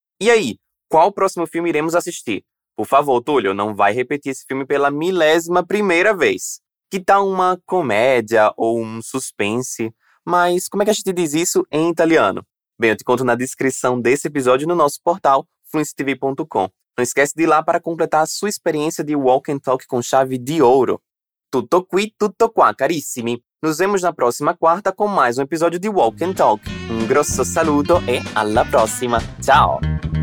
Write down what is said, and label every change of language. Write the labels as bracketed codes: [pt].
[pt] E aí, qual próximo filme iremos assistir? Por favor, Túlio, não vai repetir esse filme pela milésima primeira vez. Que tal uma comédia ou um suspense? Mas como é que a gente diz isso em italiano? Bem, eu te conto na descrição desse episódio no nosso portal, fluencytv.com. Não esquece de ir lá para completar a sua experiência de Walk and Talk com chave de ouro. [it] Tutto qui, tutto qua, carissimi. [pt] Nos vemos na próxima quarta com mais um episódio de Walk and Talk. [it] Um grosso saluto e alla prossima. [pt] Tchau!